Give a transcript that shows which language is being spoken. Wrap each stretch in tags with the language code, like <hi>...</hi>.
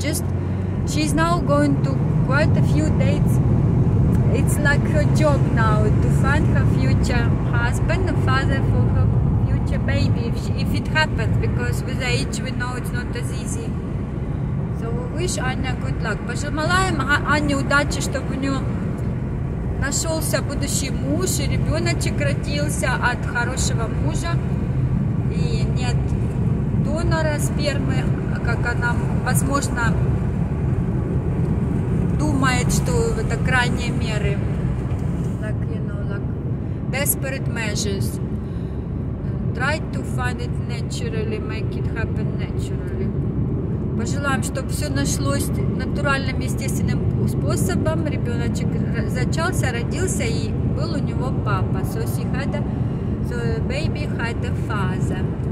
<en>Just, she's now going to quite a few dates. It's like her job now to find her future husband, a father for her baby, if it happens, because with age we know it's not as easy. So we wish Anya good luck.</en> <ru>Пожелаем Ане удачи, чтобы у нее нашелся будущий муж и ребеночек родился от хорошего мужа и нет донора спермы, как она, возможно, думает, что это крайние меры.</ru> <en>Like, you know, like desperate measures. Try to find it naturally, make it happen naturally.</en> <ru>Пожелаем, чтобы все нашлось натуральным, естественным способом. Ребеночек зачался, родился и был у него папа.</ru> <en>So she had a, so the baby had a father.</en>